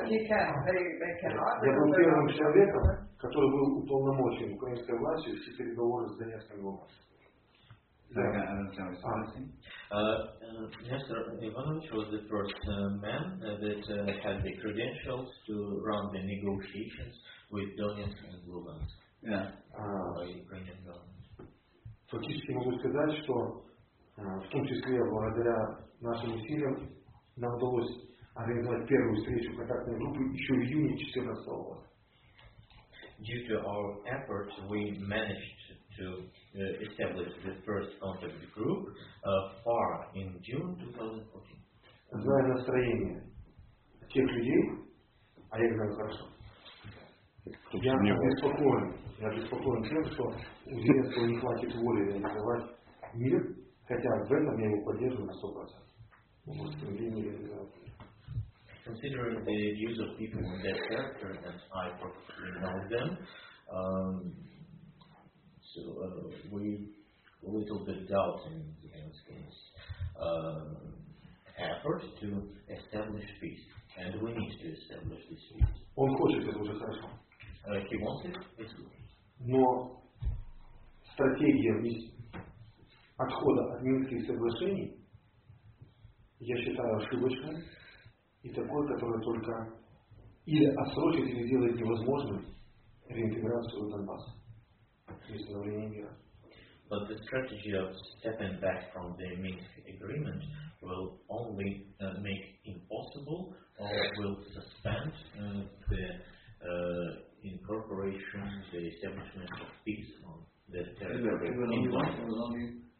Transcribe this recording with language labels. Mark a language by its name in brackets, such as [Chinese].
[Russian] Я был первым человеком, который был уполномочен украинской властью все переговоры с Донецком и Луганском. [English] Nestor Ivanovich was the first man that had the credentials to run the negotiations with Donetsk and Luhansk. Yeah. [Russian] Фактически могу сказать, что в том числе благодаря нашим усилиям нам удалось организовать первую встречу контактной группы еще в июне 2014 года. [English] due to our efforts, we managed to establish the first contact group far in June 2014. [Russian] Знаю настроение тех людей, а я знаю хорошо. Я беспокоен. Я беспокоен тем, что у Зеленского не хватит воли реализовать мир, хотя в этом я его поддерживаю на 100%. [English] Considering the use of people in that character, and I probably know them, we a little bit doubt in Zelensky's effort to establish peace, and we need to establish this peace. [Russian] Он хочет, это уже хорошо. [English] He wants it, it's good. [Russian] Но стратегия отхода от Минских соглашений, я считаю, ошибочной. И такое, которое только или отсрочит, или делает невозможным реинтеграцию Донбасса при становлении мира. [English] But the strategy of stepping back from the Minsk agreement will only make impossible or will suspend the incorporation, the establishment of peace on the territory.